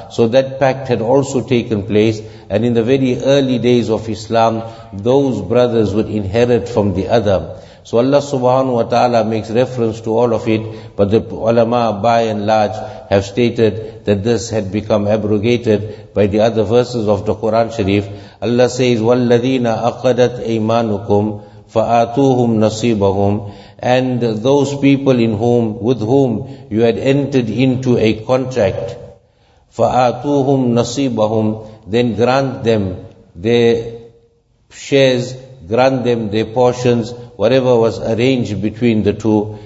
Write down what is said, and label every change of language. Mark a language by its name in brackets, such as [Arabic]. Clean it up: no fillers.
[English] So that pact had also taken place, and in the very early days of Islam, those brothers would inherit from the other. So Allah subhanahu wa ta'ala makes reference to all of it, but the ulama by and large have stated that this had become abrogated by the other verses of the Quran Sharif. Allah says, [Arabic] وَالَّذِينَ أَقَدَتْ أَيْمَانُكُمْ فَآتُوهُمْ نَصِيبَهُمْ. [English] And those people in whom, with whom you had entered into a contract, [Arabic] فَآتُوهُمْ نَصِيبَهُمْ, [English] then grant them their shares, grant them their portions, whatever was arranged between the two.